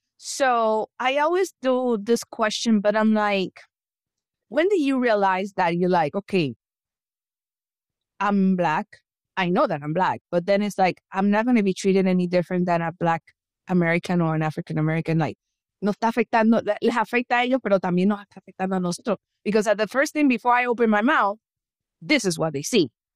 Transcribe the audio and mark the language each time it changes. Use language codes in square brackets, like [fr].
[en] So I always do this question, but I'm like, when do you realize that you're like, okay, I'm Black. I know that I'm Black, but then it's like, I'm not going to be treated any different than a Black American or an African American. [es] Like, no está afectando, les afecta a ellos, pero también nos está afectando a nosotros. [en] Because at the first thing, before I open my mouth, this is what they see.